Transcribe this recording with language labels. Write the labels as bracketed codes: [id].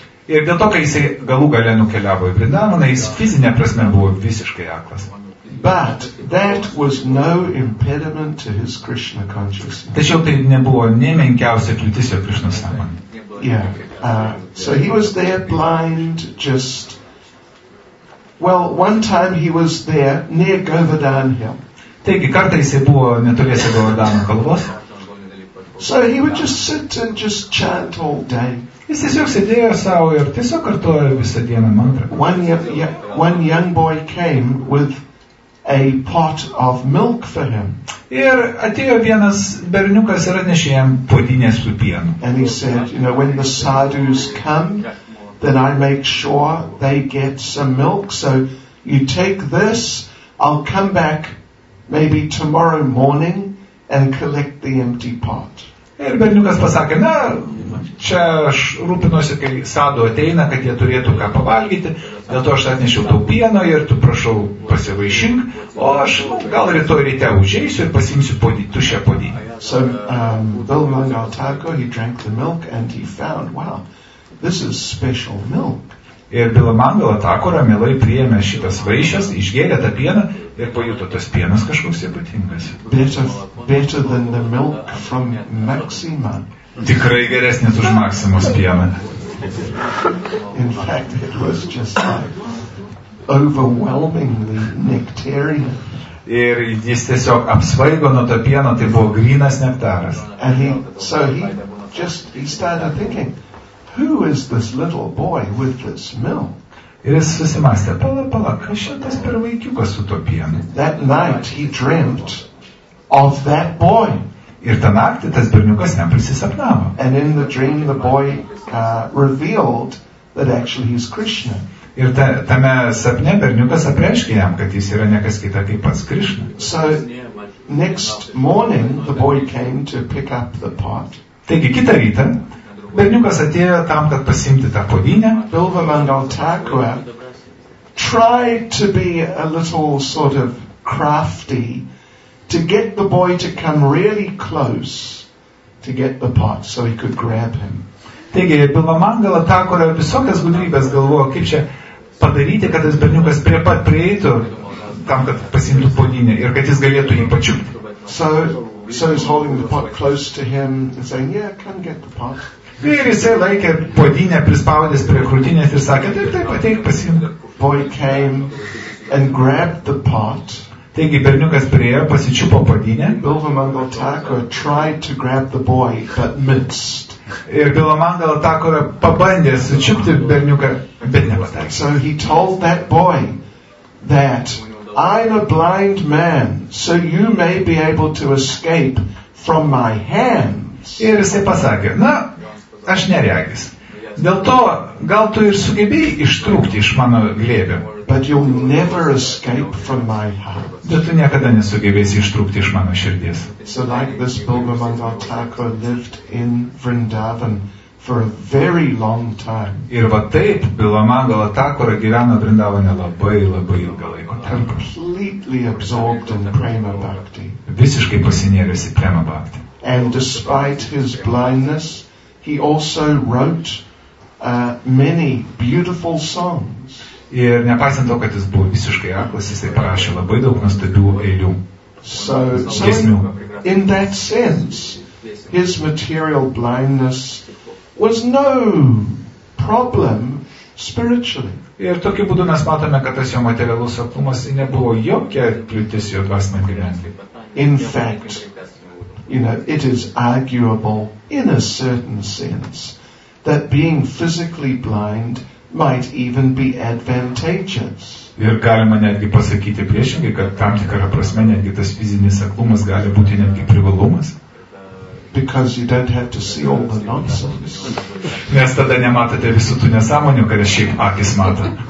[lt] Ir dėl to, kai jis galų gale nukeliavo į Vrindavaną, jis fizinė prasme buvo visiškai aklas. [en] But that was no impediment to his Krishna consciousness. [lt] Tačiau tai nebuvo nė menkiausia kliūtis jo Krishna sąmonė. [en] Yeah. So he was there blind, just... Well, one time he was there near Govardhan Hill. [lt] Taigi, kartą jis buvo netoliese Govardhano kalvos. [en] So he would just sit and just chant all day. [lt] Jis tiesiog sėdėjo savo ir tiesiog kartojo visą dieną mantrą. [en] One young boy came with a pot of milk for him. [lt] Ir atėjo vienas berniukas ir atnešė jam puodinę su pienu. [en] And he said, you know, when the sadhus come, then I make sure they get some milk. So you take this, I'll come back maybe tomorrow morning and collect the empty pot. [lt] Ir berniukas pasakė, na, čia aš rūpinuosi, kai sadu ateina, kad jie turėtų ką pavalgyti, dėl to aš atnešiau tau pieno ir tu prašau pasivaišink, o aš gal rytoj ryte užeisiu ir pasimsiu tušę podinį. [en] So, Vilmangal Tarko, he drank the milk and he found, wow, this is special milk. [lt] Ir Vilmangal Tarko ramilai priėmė šitas vaišės, išgėrė tą pieną ir pajuto tas pienas kažkoks ypatingas. [en] Better than the milk from Maxima. [lt] Tikrai geresnis už Maximos pieną. [en] In fact, it was just like overwhelmingly nectarian. [lt] Ir jis tiesiog apsvaigo nuo to pieno, tai buvo grynas nektaras. [en] And he started thinking, who is this little boy with this milk? [lt] Ir jis susimastė, pala, kas šitas per vaikiukas su to pienu? [en] That night he dreamt of that boy. [lt] Ir tą naktį tas berniukas jam prisisapnavo. [en] And in the dream the boy revealed that actually he's Krishna. [lt] Ir tame sapne berniukas apreiškė jam, kad jis yra nekas kita kaip pats Krishna. [en] So, next morning, the boy came to pick up the pot. [lt] Taigi, kitą rytą, berniukas atėjo tam, kad pasimti tą podinę. [en] Bilva Mangal Thakur tried to be a little sort of crafty to get the boy to come really close to get the pot so he could grab him. [lt] Taigi, Bilva Mangal Thakur visokias gudrybės galvojo, kaip čia padaryti, kad tas berniukas prie pat prieitų tam, kad pasimtų podinę ir kad jis galėtų jį pačiupti. [en] So he's holding the pot close to him and saying, yeah, come get the pot. [lt] Ir jisai laikė podinę, prispaudęs prie krūtinės ir sakė, taip, ateik, pasimt. [en] Boy came and grabbed the pot. [lt] Taigi berniukas priejo, pasičiupo podinę. [en] Bilva Mangal Thakur tried to grab the boy, but missed. [lt] Ir Bilva Mangal Thakur pabandė sučiupti berniuką, bet nepataikė. [en] So he told that boy that I'm a blind man, so you may be able to escape from my hands. [lt] Ir jisai pasakė, na, aš neregis. Dėl to, gal tu ir sugebėjai ištrūkti iš mano glėbio. [en] But you'll never escape from my heart. [lt] Bet tu niekada nesugebėsi ištrūkti iš mano širdies. [en] So like this Bilva Mangal Thakur lived in Vrindavan for a very long time. [lt] Ir va taip, Bilva Mangal Thakur gyveno Vrindavane labai, labai ilgą laiko tarpą. [en] Completely absorbed in Prema Bhakti. [lt] Visiškai pasinėręs į Prema Bhakti. [en] And despite his blindness, he also wrote many beautiful songs. [lt] Ir nepaisant to, kad jis buvo visiškai aklas, jisai parašė labai daug nuostabių eilių. [en] So in that sense, his material blindness was no problem spiritually. [lt] Ir tokiu būdu mes matome, kad tas jo materialus aklumas nebuvo jokia kliūtis jo dvasiniam gyvenimui. [en] In fact, you know, it is arguable in a certain sense that being physically blind might even be advantageous. [lt] Ir galima netgi pasakyti priešingai, kad tam tikra prasme netgi tas fizinis aklumas gali būti netgi privalumas. [en] Because you don't have to see all the nonsense. [lt] Nes tada nematote visų tų nesąmonių, kad šiaip akis mato.